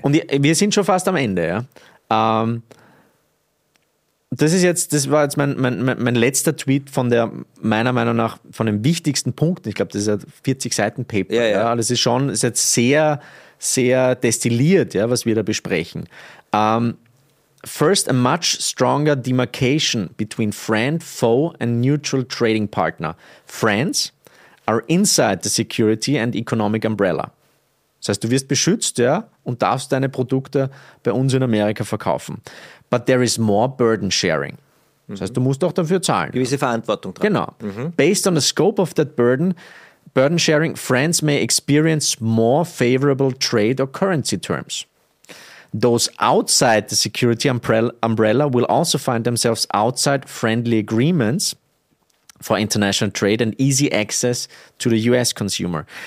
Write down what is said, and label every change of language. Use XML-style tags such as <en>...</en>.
<de>Und wir sind schon fast am Ende. Ja? Das war jetzt mein letzter Tweet von der, meiner Meinung nach, von den wichtigsten Punkten. Ich glaube, das ist ein 40-Seiten-Paper. Ja, ja. Das ist schon, ist jetzt sehr, sehr destilliert, ja, was wir da besprechen.</de> <en>First, a much stronger demarcation between friend, foe and neutral trading partner. Friends are inside the security and economic umbrella.</en> <de>Das heißt, du wirst beschützt, ja, und darfst deine Produkte bei uns in Amerika verkaufen.</de> <en>But there is more burden sharing.</en> <de>Das heißt, du musst auch dafür zahlen. Gewisse Verantwortung tragen. Genau.</de> <en>Based on the scope of that burden sharing, friends may experience more favorable trade or currency terms. Those outside the security umbrella will also find themselves outside friendly agreements for international trade and easy access to the US consumer.</en>